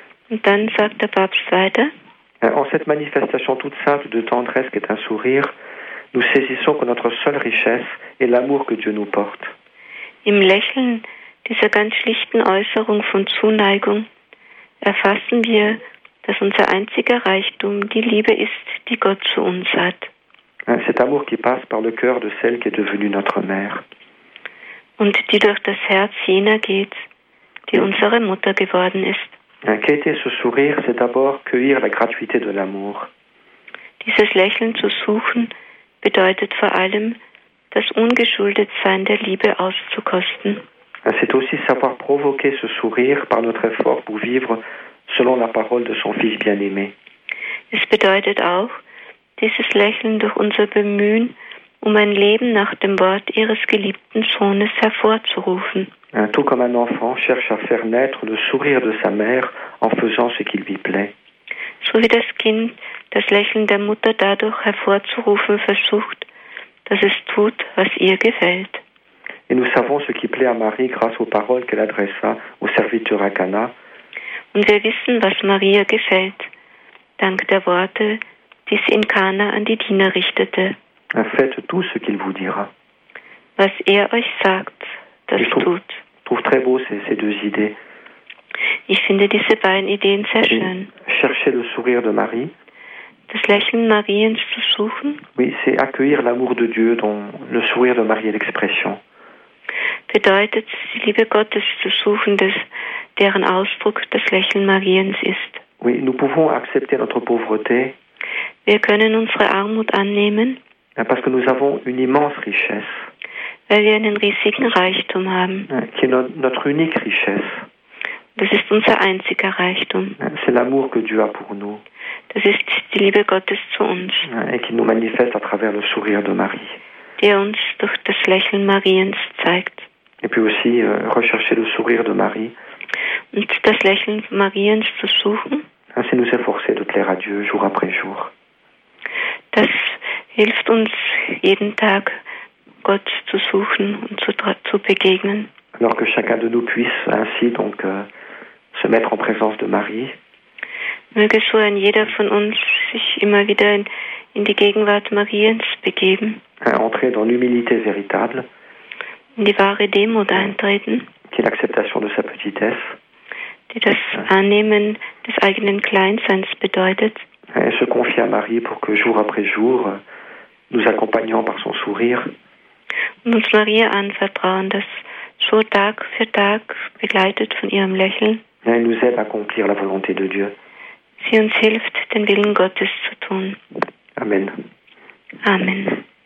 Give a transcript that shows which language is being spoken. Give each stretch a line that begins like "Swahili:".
German: Und dann sagt der Papst weiter.
French: En cette manifestation toute simple de tendresse qui est un sourire, nous saisissons que notre seule richesse est l'amour que Dieu nous porte.
German: Im Lächeln dieser ganz schlichten Äußerung von Zuneigung erfassen wir, dass unser einziger Reichtum die Liebe ist, die Gott zu uns hat.
French: Cet amour qui passe par le cœur de celle qui est devenue notre mère.
German: Und die durch das Herz jener geht, die unsere Mutter geworden ist.
French: Qu'était ce sourire, c'est d'abord cueillir la gratuité de l'amour.
German: Dieses Lächeln zu suchen bedeutet vor allem, das Ungeschuldetsein der Liebe auszukosten.
French: C'est aussi savoir provoquer ce sourire par notre effort pour vivre selon la parole de son Fils bien-aimé.
German: Es bedeutet auch, dieses Lächeln durch unser Bemühen, um ein Leben nach dem Wort ihres geliebten Sohnes hervorzurufen.
French: Tout comme un enfant cherche à faire naître le sourire de sa mère en faisant ce qui lui plaît.
German: So wie das Kind das Lächeln der Mutter dadurch hervorzurufen versucht, dass es tut, was ihr gefällt.
French: Et nous savons ce qui plaît à Marie grâce aux paroles qu'elle adressa au serviteur à Cana.
German: Und wir wissen, was Maria gefällt, dank der Worte, die sie in Cana an die Diener richtete.
French: Faites tout ce qu'il vous dira.
German: Was er euch sagt, das tut.
French: Je trouve très beau ces deux idées.
German: Ich finde diese beiden Ideen sehr schön.
French: Chercher le sourire de Marie.
German: Das Lächeln Mariens zu suchen.
French: Oui, c'est accueillir l'amour de Dieu dont le sourire de Marie est l'expression.
German: Bedeutet, die Liebe Gottes zu suchen, deren Ausdruck das Lächeln Mariens ist.
French: Oui, nous pouvons accepter notre pauvreté.
German: Wir können unsere Armut annehmen.
French: Parce que nous avons une immense richesse.
German: Weil wir einen riesigen Reichtum haben.
French: Qui est notre unique richesse.
German: Das ist unser einziger Reichtum.
French: C'est l'amour que Dieu a pour nous.
German: Das ist die Liebe Gottes zu uns.
French: Et qui nous manifeste à travers le sourire de Marie.
German: Die uns durch das Lächeln Mariens zeigt.
French: Et puis aussi rechercher le sourire de Marie.
German: Und das Lächeln Mariens zu suchen.
French: C'est nous efforcer de plaire à Dieu jour après jour.
German: Das hilft uns jeden Tag, Gott zu suchen und zu begegnen.
French: Alors que chacun de nous puisse ainsi donc se mettre en présence de Marie.
German: Möge so ein jeder von uns sich immer wieder in die Gegenwart Mariens begeben.
French: Entrer dans l'humilité véritable.
German: In die wahre Demut eintreten.
French: Qui est l'acceptation de sa petitesse.
German: Die das Annehmen des eigenen Kleinseins bedeutet.
French: Et se confier à Marie pour que jour après jour, nous accompagnions par son sourire.
German: Uns Maria anvertrauen, dass so Tag für Tag begleitet von ihrem Lächeln.
French: Elle nous aide à accomplir la volonté de Dieu.
German: Sie uns hilft, den Willen Gottes zu tun. Amen. Amen.